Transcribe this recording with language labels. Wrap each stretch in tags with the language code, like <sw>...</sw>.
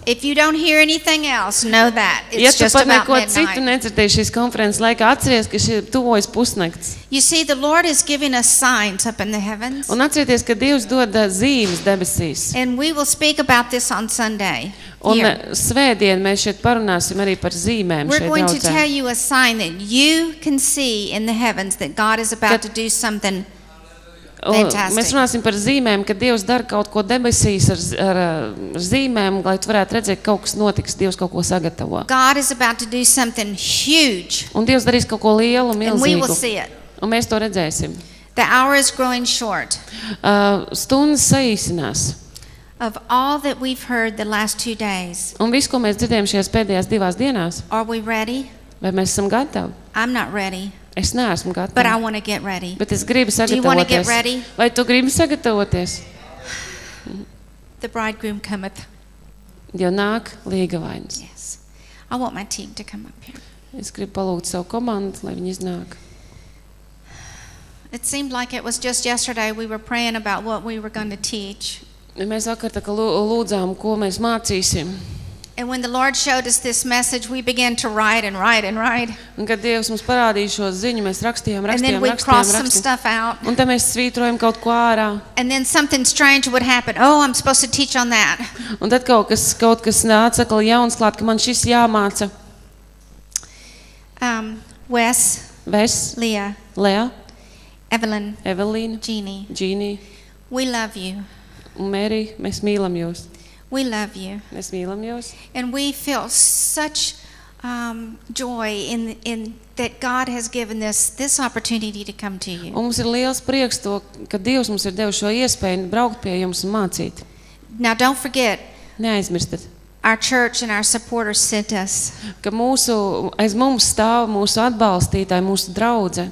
<en>If you don't hear anything else, know that. It's</en> <lv>ja</lv> <en>just about midnight.</en> <lv>Ja tu pat neko citu nedzirdēji šīs konferences laikā, atceries, ka šis tuvojas pusnakts.</lv> <en>You see, the Lord is giving us signs up in the heavens.</en> <lv>Un atcerieties, ka Dievs dod zīmes debesīs.</lv> <en>And we will speak about this on Sunday.</en> <lv>Un svētdien mēs šeit parunāsim arī par zīmēm šeit</lv> <en>We're going to tell you a sign that you can see in the heavens that God is about to do something.</en> <lv>Mēs runāsim par zīmēm, ka Dievs dara kaut ko debesīs ar zīmēm, lai tu varētu redzēt, kaut kas notiks, Dievs kaut ko sagatavo.</lv> <en>God is about to do something huge.</en> <lv>Un Dievs darīs kaut ko lielu, milzīgu.</lv> <en>And we will see it.</en> <lv>Un mēs to redzēsim.</lv> <en>The hour is growing short.</en> <lv>Stundas saīsinās.</lv> <en>Of all that we've heard the last two days.</en> <lv>Un visu, ko mēs dzirdējām šajās pēdējās divās dienās.</lv> <en>Are we ready?</en> <lv>Vai mēs esam gatavi?</lv> <en>I'm not ready.</en> <lv>Es neesmu gatava.</lv> <en>But I want to get ready.</en> <lv>Bet es gribu sagatavoties. Vai tu gribi sagatavoties?</lv> <en>The bridegroom cometh.</en> <lv>Jo nāk līgavainis.</lv> <en>Yes. I want my team to come up here.</en> <lv>Es gribu palūgt savu komandu, lai viņi iznāk.</lv> <en>It seemed like it was just yesterday we were praying about what we were going to teach.</en> <lv>Mēs vakar tā kā lūdzām, ko mēs mācīsim.</lv> <en>And when the Lord showed us this message, we began to write and write and write.</en> <lv>Un kad Dievs mums parādīja šo ziņu, mēs rakstījām, rakstījām,</lv> <en>and then</en> <lv>rakstījām, rakstījām.</lv> <en>Some stuff out.</en> <lv>Un tad mēs svītrojam kaut ko ārā.</lv> <en>And then something strange would happen. Oh, I'm supposed to teach on that.</en> <lv>Un tad kaut kas nāca atkal jauns klāt, ka man šis jāmāca.</lv> <en>Wes. Wes. Leah. Leah. Evelyn. Evelyn. Jeannie. Jeannie. We love you.</en> <lv>Mary, mēs mīlam jūs.</lv> <en>We love you.</en> <lv>Mēs mīlam jūs.</lv> <en>And we feel such joy in that God has given this opportunity to come to you.</en> <lv>Un mums ir liels prieks to, ka Dievs mums ir devis šo iespēju braukt pie jums un mācīt.</lv> <en>Now don't forget.</en> <lv>Neaizmirstiet.</lv> <en>Our church and our supporters sent us.</en> <lv>Ka mūsu, aiz mums stāv mūsu atbalstītāji, mūsu draudze.</lv>